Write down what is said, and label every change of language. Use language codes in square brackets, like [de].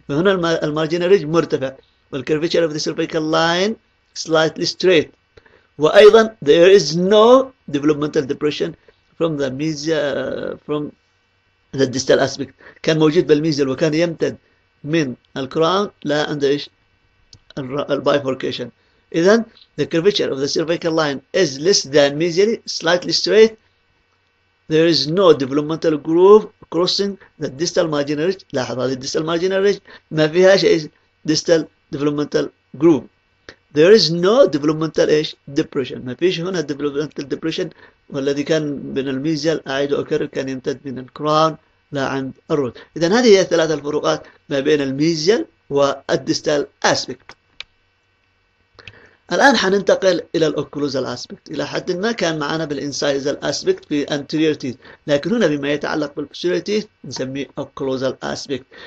[en] فهنا المارجينال ريج مرتفع والكيرفيتشر of the cervical line slightly straight, وايضا there is no developmental depression from the mesial from the distal aspect. [ar] كان موجود بالميزيال وكان يمتد من الكراون لا عند ايش البايفوركيشن. [en] اذا the curvature of the cervical line is less than mesially slightly straight. There is no developmental groove crossing the distal marginal ridge. [ar] لاحظ هذه [en] distal marginal ridge [ar] ما فيها شيء [en] distal developmental groove. There is no developmental ايش depression. [ar] ما فيش هنا developmental depression، والذي كان من الميزيال اعيد واكرر كان يمتد من الكراون لا عند الروت. اذا هذه هي الثلاثه الفروقات ما بين الميزيال والديستال اسبكت. الان حننتقل الى الاوكلوزال اسبكت. الى حد ما كان معنا بالانسايزال اسبكت في انتيريور تيث، لكن هنا بما يتعلق بالبوستيريور تيث نسميه اوكلوزال اسبكت.